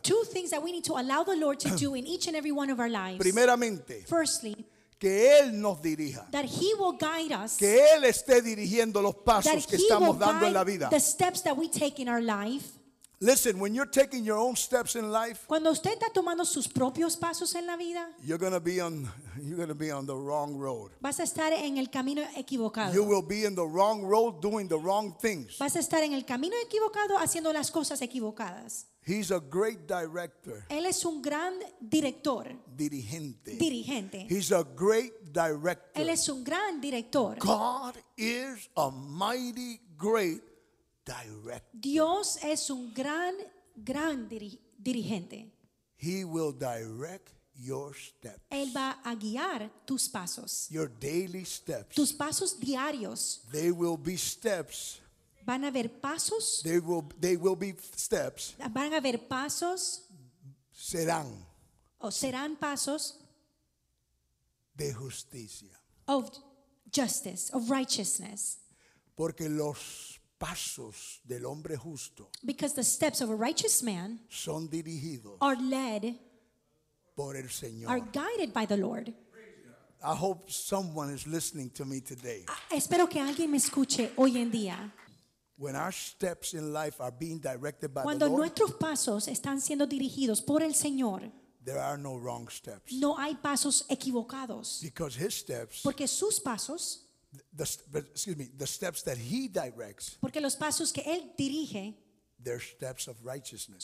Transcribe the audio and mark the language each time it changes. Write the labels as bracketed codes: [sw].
[en] Two things that we need to allow the Lord to do in each and every one of our lives. [es] Primeramente, [en] firstly, [es] que Él nos dirija. [en] That He will guide us. [es] Que Él esté dirigiendo los pasos que estamos dando en la vida. [en] That He will guide the steps that we take in our life. Listen, when you're taking your own steps in life, [es] cuando usted está tomando sus propios pasos en la vida, [en] you're going to be on the wrong road. [es] Vas a estar en el camino equivocado. [en] You will be in the wrong road doing the wrong things. [es] Vas a estar en el camino equivocado haciendo las cosas equivocadas. [en] He's a great director. [es] Él es un gran director. Dirigente. Dirigente. [en] He's a great director. [es] Él es un gran director. [en] God is a mighty great director. [es] Dios es un gran, gran dirigente. [en] He will direct your steps. [es] Él va a guiar tus pasos. [en] Your daily steps. [es] Tus pasos diarios. [en] They will be steps. [es] Van a haber pasos. [en] They will be steps. [es] Van a haber pasos. Serán. O serán pasos. De justicia. [en] Of justice, of righteousness. [es] Porque los pasos del hombre justo, [en] because the steps of a righteous man, [es] son dirigidos, [en] are led [es] por el Señor, [en] are guided by the Lord. I hope someone is listening to me today. [es] Espero que alguien me escuche hoy en día. [en] When our steps in life are being directed by [es] cuando [en] the Lord, [es] nuestros pasos están siendo dirigidos por el Señor, [en] there are no wrong steps. [es] No hay pasos equivocados. [en] Because his steps, [es] porque sus pasos, [en] the steps that he directs, [es] porque los pasos que él dirige, [en] they're steps of righteousness.